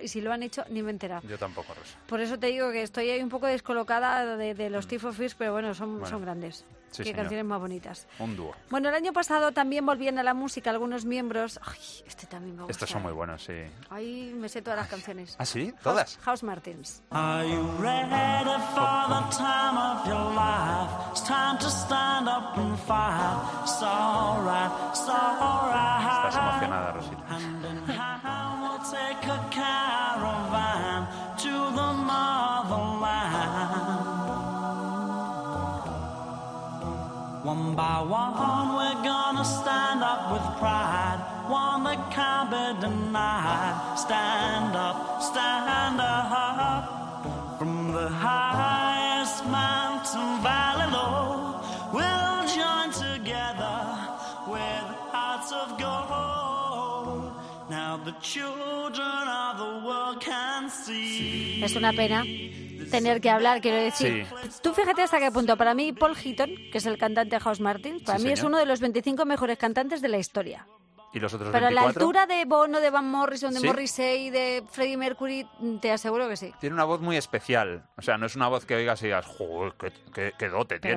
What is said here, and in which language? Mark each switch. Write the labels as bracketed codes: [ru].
[es] Y si lo han hecho, ni me he enterado. Yo tampoco, Rosa. Por eso te digo que estoy ahí un poco descolocada de los Tears for Fears. Pero bueno, son grandes. Sí, qué señor. Canciones más bonitas. Un dúo. Bueno, el año pasado también volvían a la música algunos miembros. Ay, este también me gusta. Estos son muy buenos, sí. Ay, me sé todas las canciones. ¿Ah, sí? ¿Todas? House Martins. [en] Are you ready for the time of your life? It's time to stand up and fight. It's all right, it's all right. [es] Estás emocionada, Rosita. [en] And in hand we'll take a caravan to the motherland. One by one, we're gonna stand up with pride. One that can't be denied. Stand up, stand up. From the highest mountain valley low, we'll join together with hearts of gold. Now the children of the world can see. [es] Es una pena tener que hablar, quiero decir. Sí. Tú fíjate hasta qué punto. Para mí, Paul Heaton, que es el cantante de House Martins, para mí es uno de los 25 mejores cantantes de la historia. ¿Y los otros 24? Pero a la altura de Bono, de Van Morrison, de Morrissey, de Freddie Mercury, te aseguro que sí. Tiene una voz muy especial. O sea, no es una voz que oigas y digas, joder, qué dote tiene.